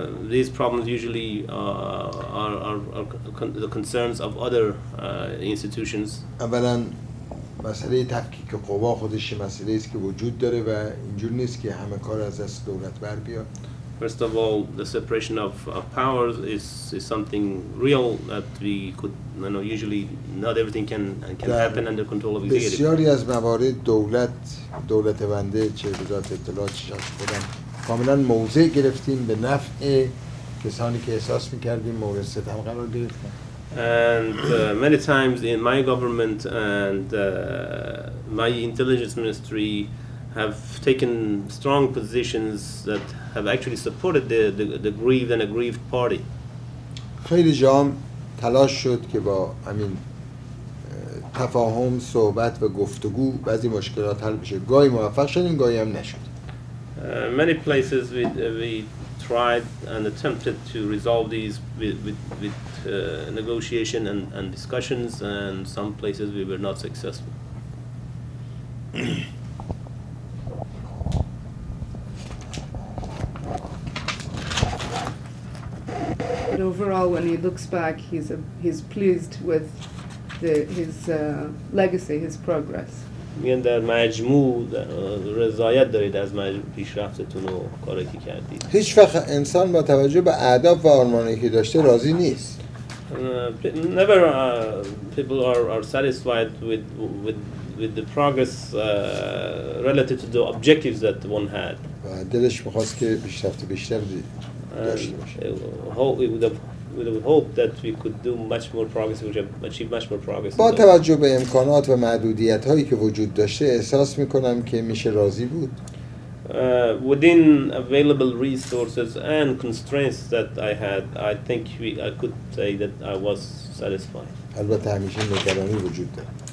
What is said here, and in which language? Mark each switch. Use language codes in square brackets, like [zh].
[en] These problems usually are the concerns of other institutions. [fa] اولا مسئله تفکیک قوا خودش مسئله است که وجود داره و اینجور نیست که همه کار از دست دولت بر بیاد. [en] First of all, the separation of powers is something real that we could, you know, usually not everything can happen under control of executive. [fa] بسیاری از موارد دولت بنده چه وزارت اطلاعات چه شخص خودم کاملا موضع گرفتیم به نفع کسانی که احساس میکردیم مورد ستم قرار گرفتن. [en] And many times in my government and my intelligence ministry have taken strong positions that have actually supported the grieved and aggrieved party. [fa] خیلی جام تلاش شد که با همین تفاهم صحبت و گفتگو بعضی مشکلات حل بشه. گاهی موفق شدیم گاهی هم نشد. [en] Many places we tried and attempted to resolve these with negotiation and discussions, and some places we were not successful. But overall, when he looks back, he's pleased with his legacy, his progress. [fa] میان در مجموع رضایت دارید از پیشرفتتون و کاری که کردید. هیچ وقت انسان با توجه به اهداف و آرمانی که داشته راضی نیست. [en] Never people are satisfied with the progress relative to the objectives that one had. [fa] دلش می‌خواست که پیشرفت بیشتر بشه. [en] We would hope that we could do much more progress, we would achieve much more progress. [fa] با توجه به امکانات و محدودیت هایی که وجود داشته احساس میکنم که میشه راضی بود. [en] Within available resources and constraints that I had, I think I could say that I was satisfied. [fa] البته همیشه نگرانی وجود داره.